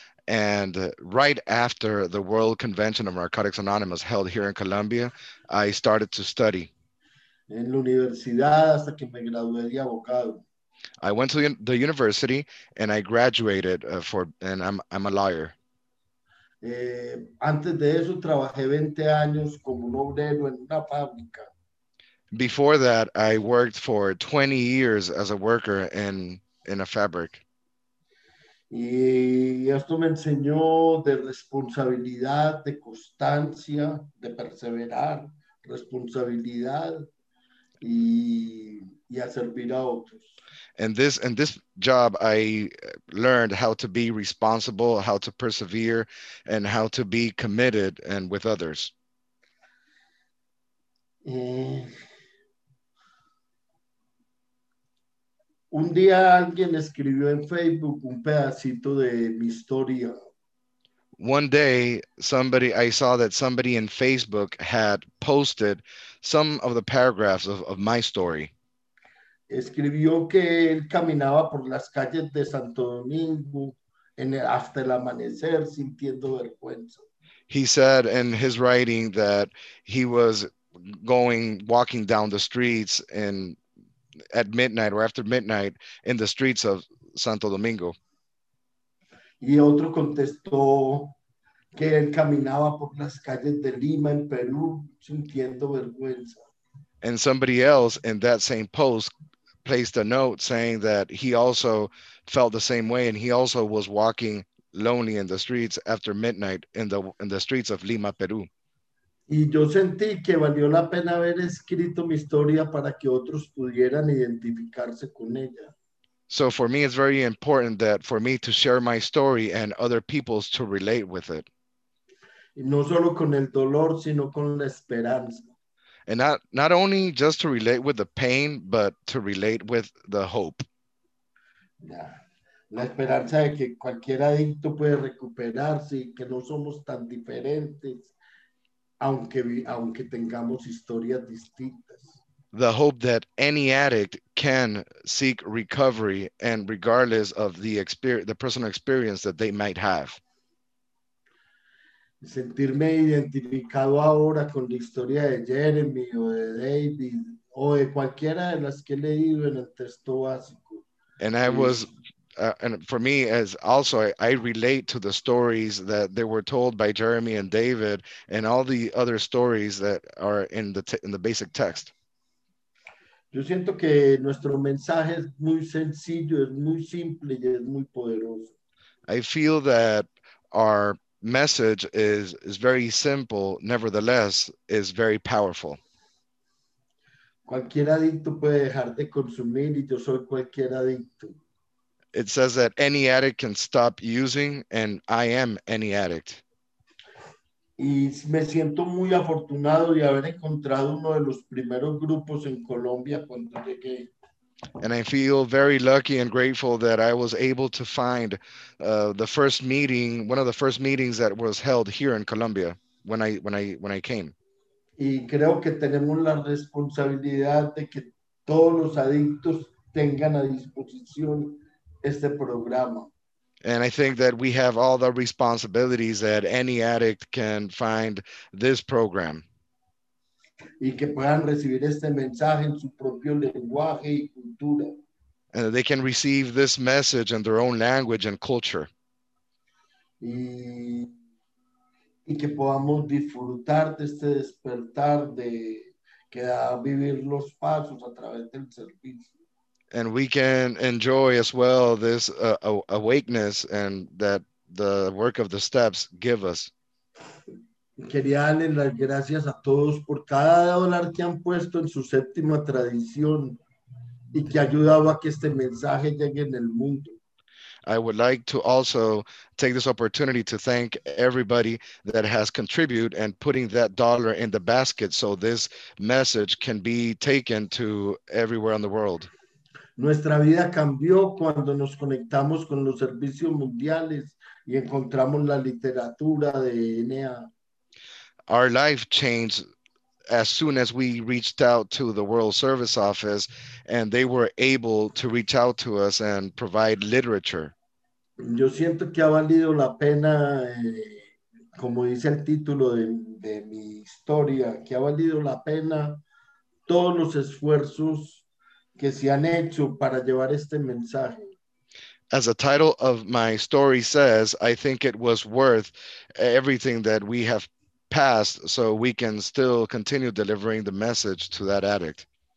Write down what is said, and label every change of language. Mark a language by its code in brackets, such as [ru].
[en] And right after the World Convention of Narcotics Anonymous held here in Colombia, I started to study. [es] En la universidad hasta que me gradué de abogado. [en] I went to the university and I graduated and I'm a lawyer. [es] Antes de eso trabajé 20 años como un obrero en una fábrica. [en] Before that, I worked for 20 years as a worker in a fabric. [es] Y esto me enseñó de responsabilidad, de constancia, de perseverar, responsabilidad y a servir a otros. [en] And this job, I learned how to be responsible, how to persevere, and how to be committed and with others. [es] Un día alguien escribió en Facebook un pedacito de mi historia. [en] One day, I saw that somebody in Facebook had posted some of the paragraphs of my story. [es] Escribió que él caminaba por las calles de Santo Domingo en el, hasta el amanecer sintiendo vergüenza. [en] He said in his writing that he was walking down the streets at midnight or after midnight in the streets of Santo Domingo. [es] Y otro contestó que él caminaba por las calles de Lima en Perú sintiendo vergüenza. [en] And somebody else in that same post placed a note saying that he also felt the same way, and he also was walking lonely in the streets after midnight in the streets of Lima, Peru. [es] Y yo sentí que valió la pena haber escrito mi historia para que otros pudieran identificarse con ella. [en] So for me, it's very important that for me to share my story and other peoples to relate with it. [es] Y no solo con el dolor, sino con la esperanza. [en] And not only just to relate with the pain, but to relate with the hope. Yeah. [es] La esperanza de que cualquier adicto puede recuperarse y que no somos tan diferentes, aunque tengamos historias distintas. [en] The hope that any addict can seek recovery and regardless of the personal experience that they might have. [es] Sentirme identificado ahora con la historia de Jeremy o de David o de cualquiera de las que he leído en el texto básico. [en] And I was, and for me as also, I relate to the stories that they were told by Jeremy and David and all the other stories that are in the basic text. [es] Yo siento que nuestro mensaje es muy sencillo, es muy simple y es muy poderoso. [en] I feel that our message is very simple, nevertheless is very powerful. [es] Cualquier adicto puede dejar de consumir y yo soy cualquier adicto. [en] It says that any addict can stop using and I am any addict. [es] Y me siento muy afortunado de haber encontrado uno de los primeros grupos en Colombia cuando llegué. [en] And I feel very lucky and grateful that I was able to find one of the first meetings that was held here in Colombia when I came. [es] Y creo que tenemos la responsabilidad de que todos los adictos tengan a disposición este programa. [en] And I think that we have all the responsibilities that any addict can find this program. [es] Y que puedan recibir este mensaje en su propio lenguaje y cultura. [en] And they can receive this message in their own language and culture. [es] Y que podamos disfrutar de este despertar de que da vivir los pasos a través del servicio. [en] And we can enjoy as well this awakeness and that the work of the steps give us. [es] Quería darle las gracias a todos por cada dólar que han puesto en su séptima tradición y que ha ayudado a que este mensaje llegue en el mundo. [en] I would like to also take this opportunity to thank everybody that has contributed and putting that dollar in the basket so this message can be taken to everywhere in the world. [es] Nuestra vida cambió cuando nos conectamos con los servicios mundiales y encontramos la literatura de NA. [en] Our life changed as soon as we reached out to the World Service Office and they were able to reach out to us and provide literature. [es] Yo siento que ha valido la pena, como dice el título de mi historia, que ha valido la pena todos los esfuerzos que se han hecho para llevar este mensaje. [en] As the title of my story says, I think it was worth everything that we have passed so we can still continue delivering the message to that addict.